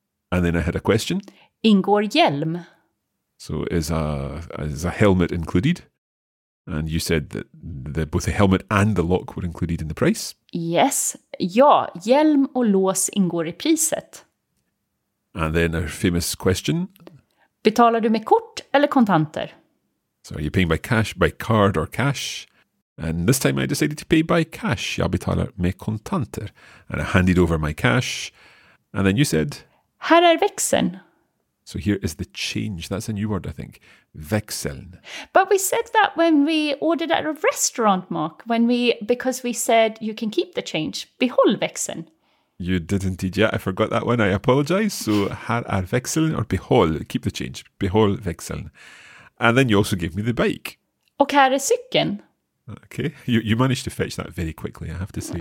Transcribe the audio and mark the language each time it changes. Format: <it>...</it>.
<en>And then I had a question.</en> <sv>Ingår hjälm?</sv> <en>So is a helmet included? And you said that both the helmet and the lock were included in the price. Yes.</en> <sv>Ja, hjälm och lås ingår i priset.</sv> <en>And then our famous question.</en> <sv>Betalar du med kort eller kontanter?</sv> <en>So are you paying by cash, by card or cash? And this time I decided to pay by cash.</en> <sv>Jag betalar med kontanter.</sv> <en>And I handed over my cash. And then you said.</en> <sv>Här är växeln.</sv> <en>So here is the change. That's a new word, I think. Växeln. But we said that when we ordered at a restaurant, Mark. Because we said you can keep the change.</en> <sv>Behåll växeln.</sv> <en>You did indeed, yeah. I forgot that one. I apologize.</en> <sv>So här är växeln or behåll.</sv> <en>Keep the change.</en> <sv>Behåll växeln.</sv> <en>And then you also gave me the bike.</en> <sv>Och här är cykeln.</sv> <en>Okay. You managed to fetch that very quickly, I have to say.</en>